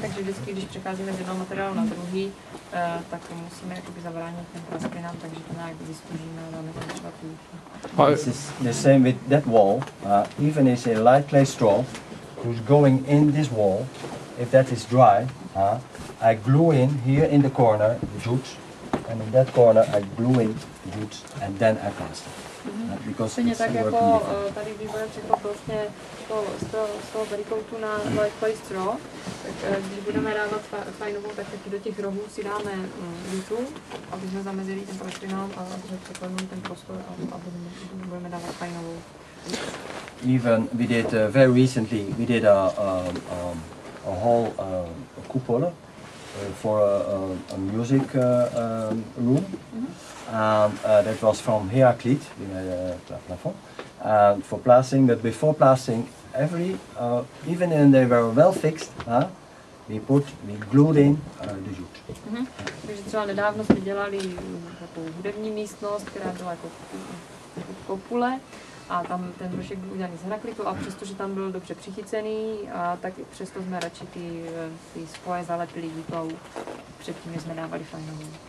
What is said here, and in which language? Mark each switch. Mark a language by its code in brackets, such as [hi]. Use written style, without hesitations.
[cs] Takže vždycky, když přecházíme z jednoho materiálu na druhý, tak musíme jakoby zabránit ten prasklinám, takže to nějak vyzkoušíme, dáme tam třeba tu. [en] This is the same with that wall, even if it's a light clay straw, who's going in this wall, if that is dry, I glue in here in the corner jute, and in that corner I glue in jute, and then I cast it. [cs] Stejně tak jako tady, když budeme překlad vlastně z toho barikoutu na light clay straw, tak když budeme dávat fajnovou, tak taky do těch rohů si dáme jutu, aby jsme zamezili ten prostřinám a překladnou ten prostor a budeme dávat fajnovou. [en] Even we did very recently, we did a whole cupola for a music room. And that was from heraklit, we made a plafond, and for plastering, but before plastering, every, even when they were well fixed, we glued in the jute. [cs] Takže třeba nedávno jsme dělali takovou hudební místnost, která byla jako kopule, a tam ten vršek byl udělaný z heraklitu, a přestože tam byl dobře přichycený, a tak přesto jsme radši ty spoje zalepili jutou předtím, než jsme dávali fajnovou.